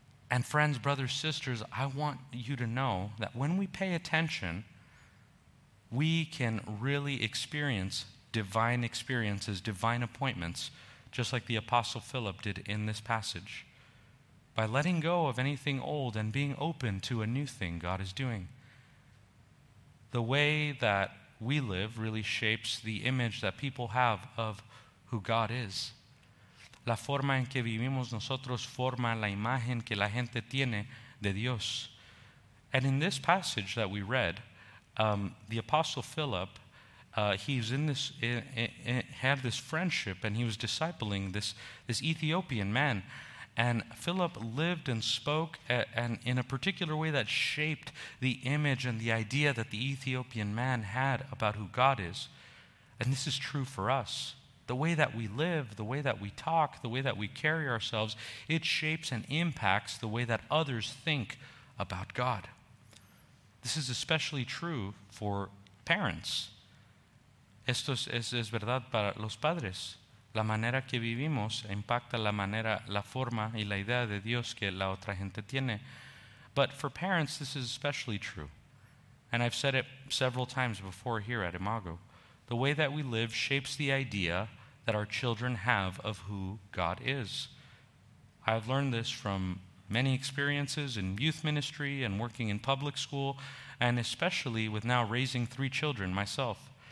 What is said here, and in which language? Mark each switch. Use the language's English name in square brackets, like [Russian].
[English] And friends, brothers, sisters, I want you to know that when we pay attention, we can really experience divine experiences, divine appointments, just like the Apostle Philip did in this passage, by letting go of anything old and being open to a new thing God is doing. The way that we live really shapes the image that people have of who God is. [Spanish] La forma en que vivimos nosotros forma la imagen que la gente tiene de Dios. [English] And in this passage that we read, the Apostle Philip, he's in this, had this friendship, and he was discipling this Ethiopian man. And Philip lived and spoke and in a particular way that shaped the image and the idea that the Ethiopian man had about who God is. And this is true for us. The way that we live, the way that we talk, the way that we carry ourselves, it shapes and impacts the way that others think about God. This is especially true for parents. [Spanish] Esto es verdad para los padres. La manera que vivimos impacta la manera, la forma y la idea de Dios que la otra gente tiene. [English] But for parents, this is especially true. And I've said it several times before here at Imago. The way that we live shapes the idea that our children have of who God is. I've learned this from many experiences in youth ministry and working in public school, and especially with now raising three children myself.